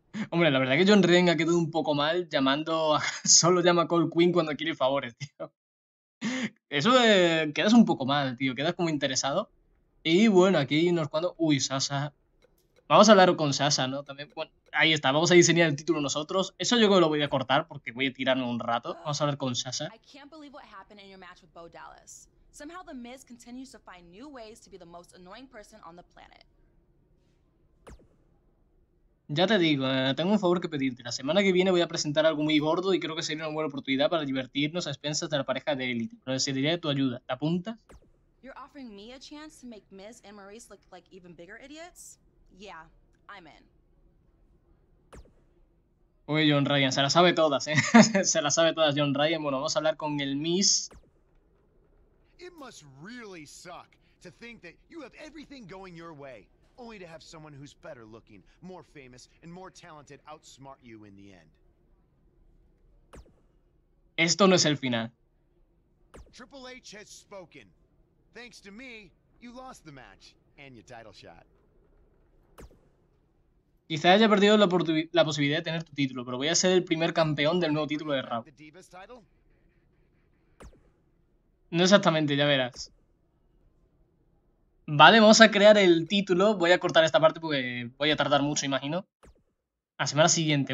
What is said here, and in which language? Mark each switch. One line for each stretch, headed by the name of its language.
Spanish: Hombre, la verdad es que John Ryan ha quedado un poco mal llamando a... Solo llama a Cole Quinn cuando quiere favores, tío. Eso quedas un poco mal, tío. Quedas como interesado. Y bueno, aquí hay unos cuantos. Uy, Sasha. Vamos a hablar con Sasha, ¿no? También. Bueno, ahí está. Vamos a diseñar el título nosotros. Eso yo creo que lo voy a cortar porque voy a tirarme un rato. Vamos a hablar con Sasha.
English: I can't believe what happened in your match with Bo Dallas. Somehow the Miz continues to find new ways to be the most annoying person on the planet.
Spanish: Ya te digo, tengo un favor que pedirte. La semana que viene voy a presentar algo muy gordo y creo que sería una buena oportunidad para divertirnos a expensas de la pareja de élite. Pero necesitaría tu ayuda. ¿Te apuntas?
English: You're offering me a chance to make Miz and Maryse look like even bigger idiots? Yeah, I'm in.
Spanish: Uy, John Ryan, se la sabe todas, ¿eh? Se la sabe todas, John Ryan. Bueno, vamos a hablar con el Miz.
English: It must really suck to think that you have everything going your way. Only to have someone who's better looking, more famous, and more talented outsmart you in the end.
Spanish: Esto no es el final.
English: Triple H has spoken. Thanks to me, you lost the match and your title shot.
Spanish: Quizá haya perdido la posibilidad de tener tu título, pero voy a ser el primer campeón del nuevo título de Raw.
English: The Divas title?
Spanish: No exactamente, ya verás. Vale, vamos a crear el título. Voy a cortar esta parte porque voy a tardar mucho, imagino. La semana siguiente.